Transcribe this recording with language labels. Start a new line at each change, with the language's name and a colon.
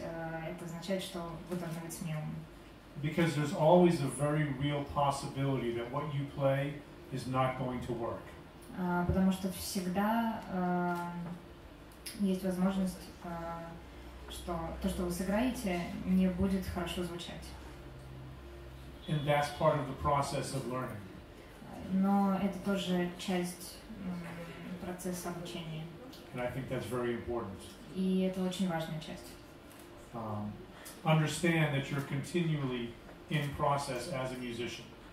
Russian: Это означает, что вы должны быть смелым.
English: Because there's always a very real possibility that what you play is not going to work.
Russian: потому что всегда есть возможность, что то, что вы сыграете, не будет хорошо звучать.
English: And that's part of the process of learning.
Russian: Но это тоже часть процесса обучения.
English: And I think that's very important.
Russian: И это очень важная часть.
English: Understand that you're continually in process as a musician.